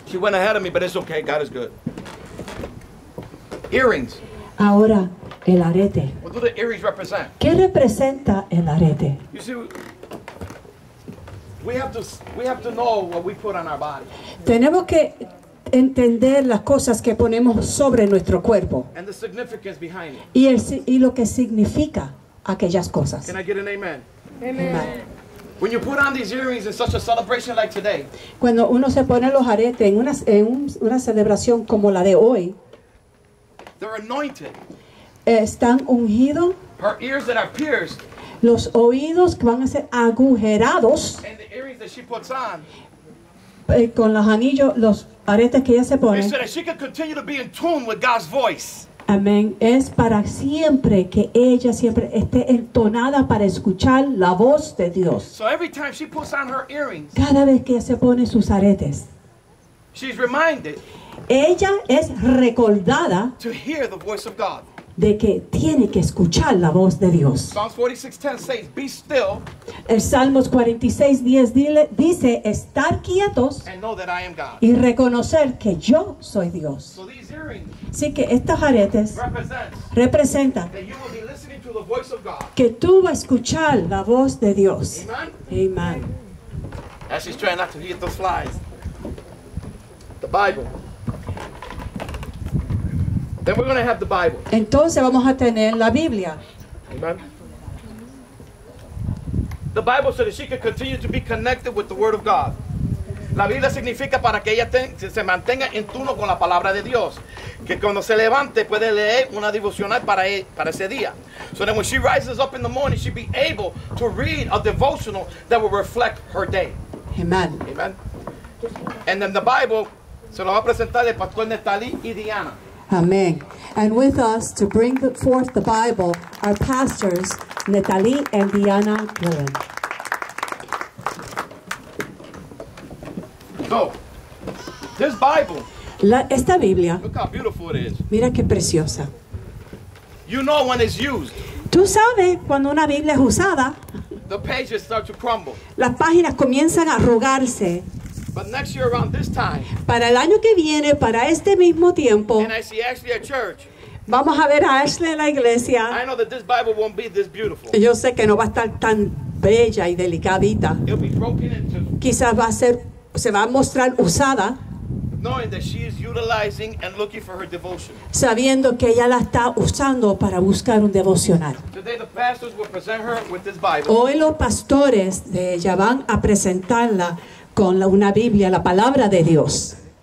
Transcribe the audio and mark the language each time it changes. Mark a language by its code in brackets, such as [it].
[en] she went ahead of me, but it's okay. God is good. Earrings. [es] Ahora, el arete. [en] What do the earrings represent? [es] ¿Qué representa el arete? [en] You see, we have to know what we put on our body. [es] Tenemos que entender las cosas que ponemos sobre nuestro cuerpo. [en] And the significance behind it. [es] Y lo que significa aquellas cosas. [en] Can I get an amen? Amen. When you put on these earrings in such a celebration like today, [es] cuando uno se pone los aretes en una celebración como la de hoy, [en] they're anointed. [es] Están ungidos. [en] Her ears that are pierced. [es] Los oídos que van a ser agujerados. [en] And the earrings that she puts on. [es] Con los anillos, los aretes que ella se pone. [en] So that she can continue to be in tune with God's voice. [es] Amén. Es para siempre que ella siempre esté entonada para escuchar la voz de Dios. [en] So every time she puts on her earrings, [es] cada vez que ella se pone sus aretes, [en] she's reminded, [es] ella es recordada [en] to hear the voice of God, [es] de que tiene que escuchar la voz de Dios. [en] Psalms 46:10 says, "Be still." [es] El Salmos 46:10 dice, "Estar quietos." [en] And know that I am God. [es] Y reconocer que yo soy Dios. [en] So these earrings, [es] así que estos aretes representan [en] that you will be listening to the voice of God. [es] Que tú vas a escuchar la voz de Dios. [en] Amen. Amen. As she's trying not to hit those flies. The Bible. Then we're going to have the Bible. [es] Entonces vamos a tener la Biblia. [en] Amen. The Bible said that she could continue to be connected with the Word of God. [es] La Biblia significa para que ella se mantenga en tuno con la palabra de Dios. Que cuando se levante puede leer una devocional para ese día. [en] So that when she rises up in the morning, she'd be able to read a devotional that will reflect her day. Amen. Amen. And then the Bible, [es] se lo va a presentar el pastor Nestalí y Diana. [en] Amen. And with us to bring forth the Bible, our pastors, Nestalí and Diana Gillen. So, this Bible. [es] Esta Biblia. [en] Look how beautiful it is. [es] Mira qué preciosa. [en] You know when it's used. [es] Tú sabes cuando una Biblia es usada. [en] The pages start to crumble. [es] Las páginas comienzan a arrugarse. [en] But next year around this time. [es] Para el año que viene, para este mismo tiempo. [en] And I see Ashley at church. [es] Vamos a ver a Ashley en la iglesia. [en] I know that this Bible won't be this beautiful. [es] Yo sé que no va a estar tan bella y delicadita. [en] It'll be broken into. [es] Quizás va a ser, se va a mostrar usada. [en] Knowing that she is utilizing and looking for her devotion. [es] Sabiendo que ella la está usando para buscar un devocional. [en] Today the pastors will present her with this Bible. [es] Hoy los pastores de ella van a presentarla con una Biblia, la palabra de Dios.